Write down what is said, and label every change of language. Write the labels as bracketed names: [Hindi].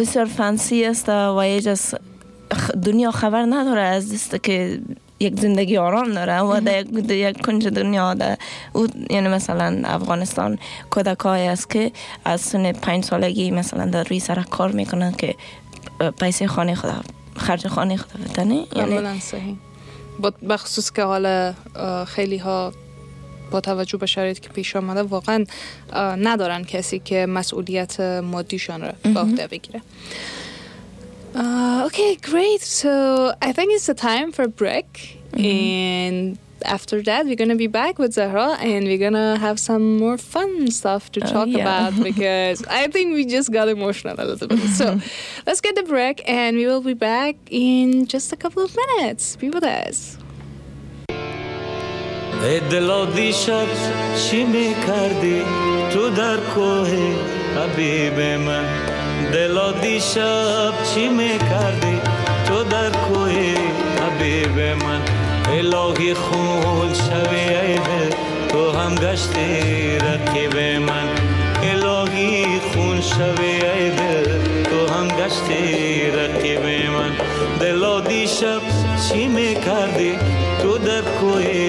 [Persian] بسیار فنسی است و یک دنیا خبر نداره از دست که یک زندگی آرام داره، و در یک کنج دنیا در یعنی مثلا افغانستان کودکایی است که از سن 5 سالگی مثلا در روی سرک کار میکنن که پیسه خانه خدا خرج خانه خدا بتنه، یعنی صحیح. بخصوص که حالا خیلی ها با توجه به شرایطی که پیش آمده واقعا ندارن کسی که مسئولیت مادیشان را به عهده بگیره. [English] Okay, great. So I think it's the time for a break. And after that, we're going to be back with Zahra and we're going to have some more fun stuff to talk about because I think we just got emotional a little bit. So let's get the break and we will be back in just a couple of minutes. Be with us. [Persian] ای دل دیشب چی می کردی تو در کوه حبیب من، دل دیشب چی می کردی تو در کوه حبیب من، الهی خون شوی ای دل تو هم گشتی رقیب من، الهی خون شوی ای دل تو هم گشتی رقیب من، دل دیشب چی می کردی تو در کوه